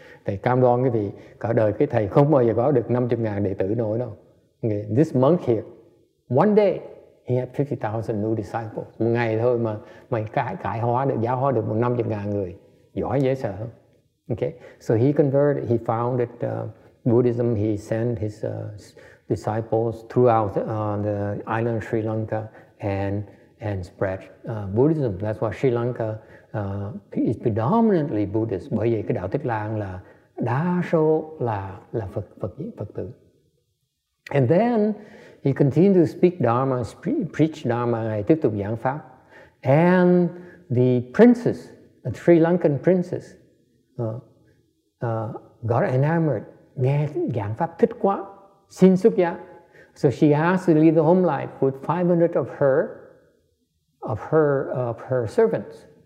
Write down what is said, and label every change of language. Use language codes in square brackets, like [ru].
[vi] Thầy cam đoan cái vị cả đời cái thầy không bao giờ có được 50,000 đệ tử nổi đâu. [en] Okay. This monk here, one day he had 50,000 new disciples. [vi] Một ngày thôi mà mày cải hóa được, giáo hóa được 50,000 người, giỏi dễ sợ. [en] Okay, so he converted, he founded Buddhism. He sent his disciples throughout the island Sri Lanka and spread Buddhism. That's why Sri Lanka is predominantly Buddhist. [vi] Bởi vì cái đạo Tích Lan là đa số là Phật tử. [en] And then he continued to speak Dharma, preach Dharma, [vi] ngài tiếp tục giảng pháp. [en] And the princes, the Sri Lankan princes, got enamored. [vi] Nghe giảng pháp thích quá, xin xuất gia. [en] So she asked to leave the home life with 500 of her servants.